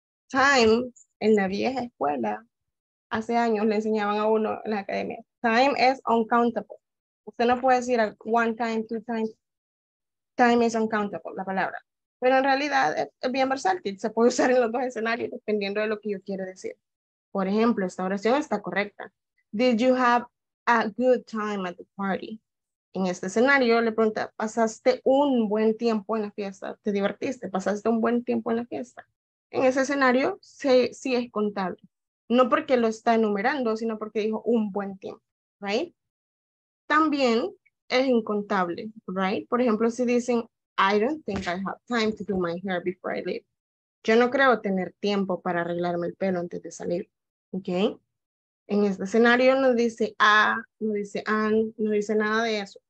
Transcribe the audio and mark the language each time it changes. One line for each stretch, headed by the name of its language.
English: Time,
Spanish: en la vieja escuela, hace años le enseñaban a uno en la academia.
English: Time is uncountable.
Spanish: Usted no puede decir
English: one time, two times. Time is uncountable,
Spanish: la palabra. pero en realidad es bien versátil. Se puede usar en los dos escenarios dependiendo de lo que yo quiero decir. Por ejemplo, esta oración está correcta.
English: Did you have a good time at the party?
Spanish: En este escenario le pregunta, ¿pasaste un buen tiempo en la fiesta? ¿Te divertiste? ¿Pasaste un buen tiempo en la fiesta? En ese escenario sí es contable. No porque lo está enumerando, sino porque dijo un buen tiempo,
English: right?
Spanish: También es incontable,
English: right?
Spanish: Por ejemplo, si dicen,
English: I don't think I have time to do my hair before I leave.
Spanish: Yo no creo tener tiempo para arreglarme el pelo antes de salir, okay? En este escenario no dice a, no dice an, no dice nada de eso.